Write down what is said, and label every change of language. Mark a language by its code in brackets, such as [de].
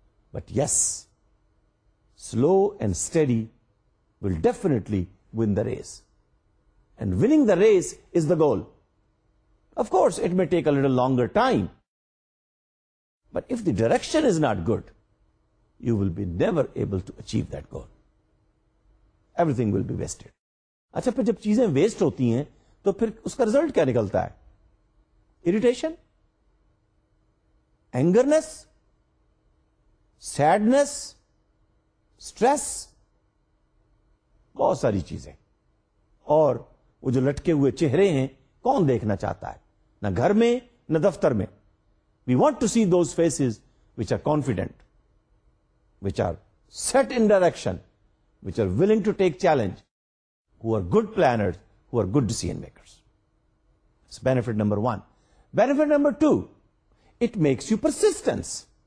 [en] But yes, slow and steady will definitely win the race. And winning the race is the goal. Of course, it may take a little longer time. But if the direction is not good, you will be never able to achieve that goal. Everything will be wasted. [ur] اچھا پھر جب چیزیں waste ہوتی ہیں تو پھر اس کا result کیا نکلتا ہے؟ [en] Irritation, angerness, sadness, stress, [ur] بہت ساری چیزیں. اور وہ جو لٹکے ہوئے چہرے ہیں کون دیکھنا چاہتا ہے؟ نہ گھر میں نہ دفتر میں. [en] We want to see those faces which are confident, which are set in direction, which are willing to take challenge, who are good planners, who are good decision makers. It's benefit number one. Benefit number two, it makes you persistent.